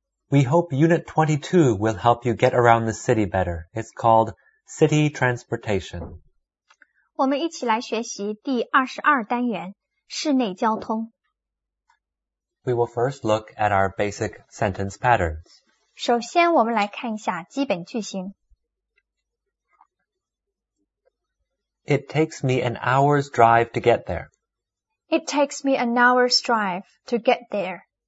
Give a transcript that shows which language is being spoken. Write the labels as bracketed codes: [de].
[en] We hope Unit 22 will help you get around the city better. It's called City Transportation. [zh] 我们一起来学习第22单元，室内交通。 [en] We will first look at our basic sentence patterns. [zh] 首先我们来看一下基本句型。 [en] It takes me an hour's drive to get there. It takes me an hour's drive to get there.